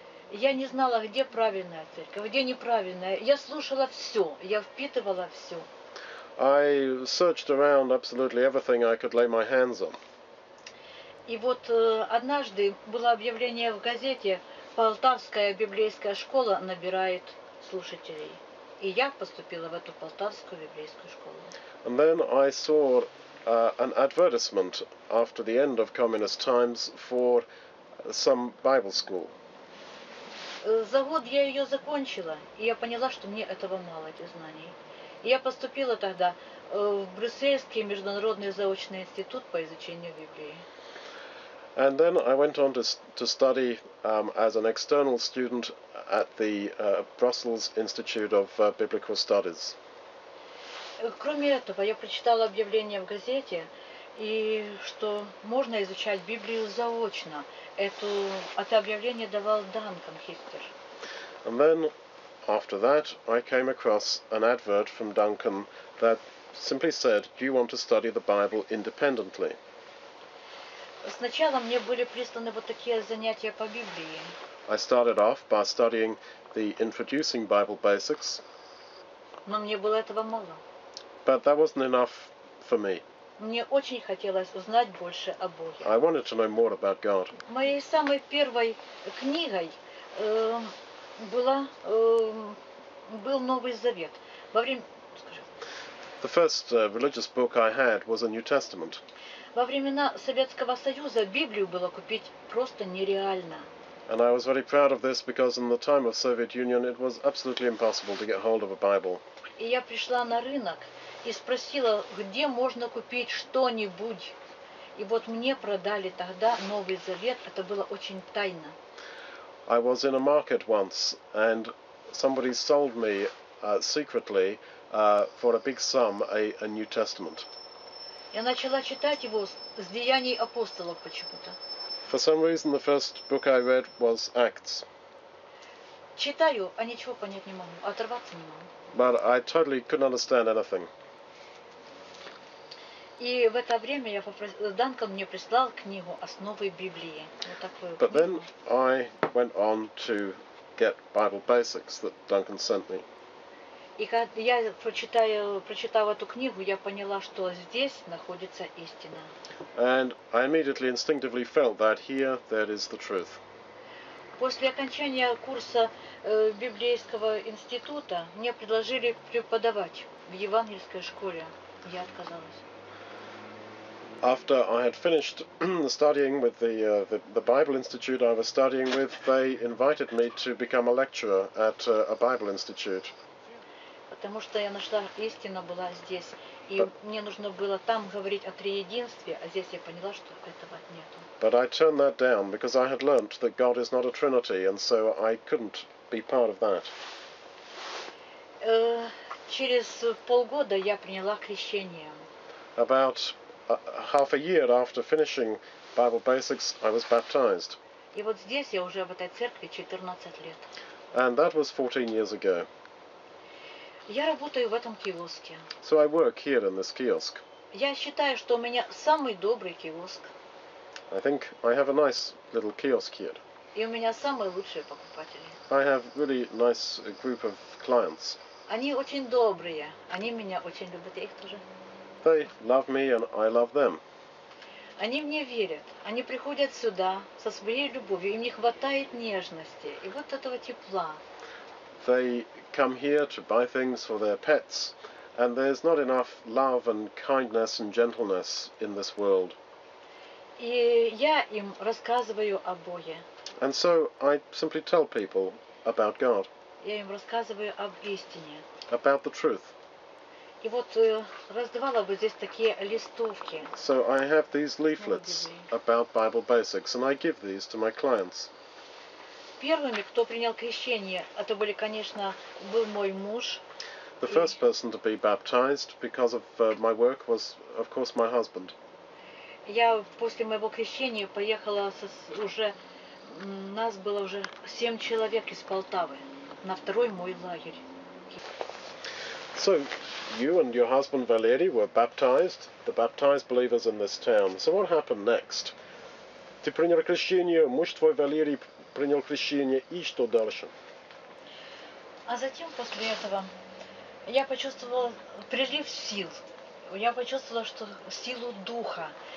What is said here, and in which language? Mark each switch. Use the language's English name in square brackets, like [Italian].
[Russian] Я не знала, где правильная церковь, где неправильная. Я слушала все, я впитывала все. [English] I searched around absolutely everything I could lay my hands on. [Russian] И вот однажды было объявление в газете: Полтавская библейская школа набирает слушателей. И я поступила в эту Полтавскую библейскую школу. [English] And then I saw an advertisement after the end of communist times for some Bible school. [Russian] За год я ее закончила, и я поняла, что мне этого мало, этих знаний. И я поступила тогда в Брюссельский международный заочный институт по изучению Библии. [English] And then I went on to study as an external student at the Brussels Institute of Biblical Studies. [Russian] Кроме этого, я прочитала объявление в газете, и что можно изучать Библию заочно. Это объявление давал Данкан Хистер. [English] And then, after that, I came across an advert from Duncan that simply said, "Do you want to study the Bible independently?" [Russian] Сначала мне были присланы вот такие занятия по Библии. [English] I started off by studying the Introducing Bible Basics. [Russian] Но мне было этого мало. [English] But that wasn't enough for me. [Russian] Мне очень хотелось узнать больше о Боге. [English] I wanted to know more about God. [Russian] Моей самой первой книгой был Новый Завет. [English] The first religious book I had was a New Testament. [Russian] Во времена Советского Союза Библию было купить просто нереально. [English] And I was very proud of this because in the time of Soviet Union it was absolutely impossible to get hold of a Bible. [Russian] И я пришла на рынок и спросила, где можно купить что-нибудь. И вот мне продали тогда Новый Завет. Это было очень тайно. [English] I was in a market once, and somebody sold me secretly for a big sum a New Testament. [Russian] Я начала читать его с Деяний апостолов почему-то. [English] For some reason, the first book I read was Acts. [Russian] Читаю, а ничего понять не могу, оторваться не могу. [English] But I totally couldn't understand anything. [Russian] И в это время я Данкан мне прислал книгу «Основы Библии». Вот такую. [English] But then I went on to get Bible Basics that Duncan sent me. [Russian] И когда я прочитала эту книгу, я поняла, что здесь находится истина. [English] And I immediately instinctively felt that here there is the truth. [Russian] После окончания курса библейского института мне предложили преподавать в евангельской школе. Я отказалась. [English] After I had finished studying with the Bible Institute I was studying with, they invited me to become a lecturer at a Bible Institute. [Russian] Потому что я нашла, истина была здесь, и мне нужно было там говорить о триединстве, а здесь я поняла, что этого нету. [English] But I turned that down because I had learnt that God is not a Trinity, and so I couldn't be part of that. [Russian] Через полгода я приняла крещение. [English] About half a year after finishing Bible Basics, I was baptized. [Russian] И вот здесь я уже в этой церкви 14 лет. [English] And that was 14 years ago. [Russian] Я работаю в этом киоске. [English] So I work here in this kiosk. [Russian] Я считаю, что у меня самый добрый киоск. [English] I think I have a nice little kiosk here. [Russian] И у меня самые лучшие покупатели. [English] I have really nice group of clients. [Russian] Они очень добрые. Они меня очень любят. Я их тоже. [English] They love me and I love them. [Russian] Они мне верят. Они приходят сюда со своей любовью. Им не хватает нежности и вот этого тепла. [English] They come here to buy things for their pets. And there's not enough love and kindness and gentleness in this world. [Russian] И я им рассказываю о Боге. [English] And so I simply tell people about God. [Russian] Я им рассказываю об истине. [English] About the truth. [Russian] И вот раздавала бы здесь такие листовки. [English] So I have these leaflets about Bible Basics, and I give these to my clients. [Russian] Первыми, кто принял крещение, это были, конечно, был мой муж. [English] The first person to be baptized because of my work was, of course, my husband. [Russian] Я после моего крещения поехала уже... Нас было уже 7 человек из Полтавы на второй мой лагерь. [English] So, you and your husband Valery were baptized, the baptized believers in this town. So what happened next? [Russian] Ты принял крещение, муж твой Валерий принял крещение, и что дальше? А затем, после этого, я почувствовала прилив сил. Я почувствовала, что силу духа.